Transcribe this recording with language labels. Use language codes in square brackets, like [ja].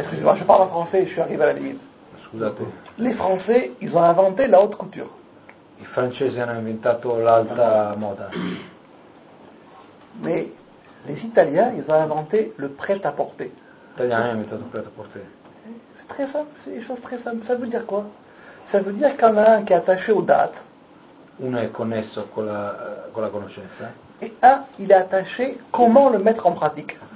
[fr] Excusez-moi, je parle en français, je suis arrivé à la limite. [it] Scusate. [fr] Les Français, ils ont inventé la haute couture. [it] I francesi hanno inventato l'alta moda. [fr] Mais les Italiens, ils ont inventé le prêt-à-porter. [it] Gli italiani hanno inventato il prêt-à-porter. [fr] C'est très simple, c'est des choses très simples. Ça veut dire quoi? Ça veut dire qu'il y en a un qui est attaché aux dates. [it] Uno è connesso con la conoscenza. [fr] Et un, il est attaché comment le mettre en pratique.